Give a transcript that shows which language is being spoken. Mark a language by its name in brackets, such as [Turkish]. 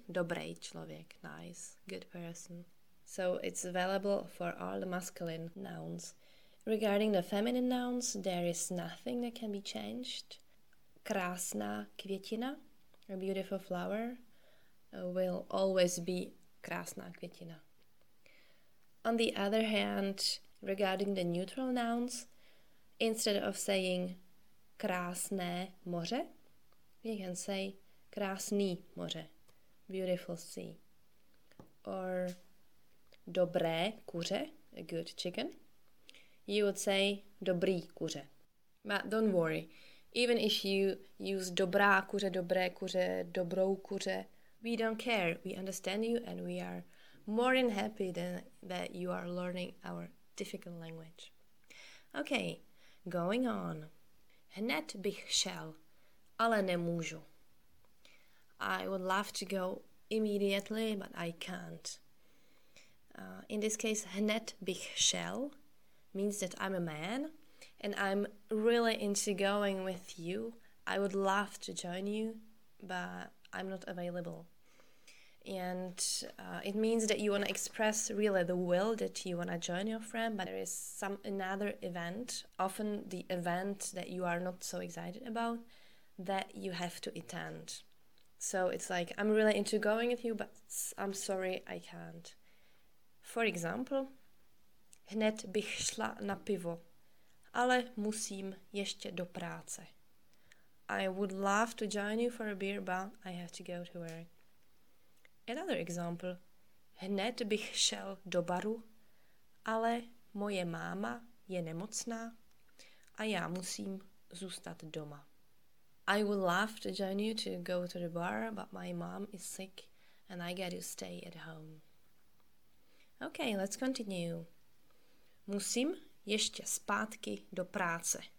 [Czech] Dobrej člověk, [English] nice, good person. So it's available for all the masculine nouns. Regarding the feminine nouns, there is nothing that can be changed. [Czech] Krásná květina, [English] a beautiful flower, will always be [Czech] krásná květina. [English] On the other hand, regarding the neutral nouns, instead of saying [Czech] krásné moře, [English] you can say [Czech] krásný moře, [English] beautiful sea. Or [Czech] dobré kuře, [English] a good chicken. You would say [Czech] dobrý kuře. [English] But don't worry, even if you use [Czech] dobrá kuře, dobré kuře, dobrou kuře, [English] we don't care, we understand you and we are more than happy that you are learning our difficult language. Okay, going on. [Czech] Hned bych šel, ale nemůžu. [English] I would love to go immediately, but I can't. In this case, [Czech] hned bych šel [English] means that I'm a man and I'm really into going with you. I would love to join you, but I'm not available. And it means that you want to express really the will that you want to join your friend, but there is some another event, often the event that you are not so excited about, that you have to attend. So it's like, I'm really into going with you, but I'm sorry, I can't. For example, [Czech] hned bych šla na pivo, ale musím ještě do práce. [English] I would love to join you for a beer, but I have to go to work. Another example. [Czech] Hned bych šel do baru, ale moje máma je nemocná a já musím zůstat doma. [English] I would love to join you to go to the bar, but my mom is sick and I get to stay at home. Okay, let's continue. [Czech] Musím ještě zpátky do práce.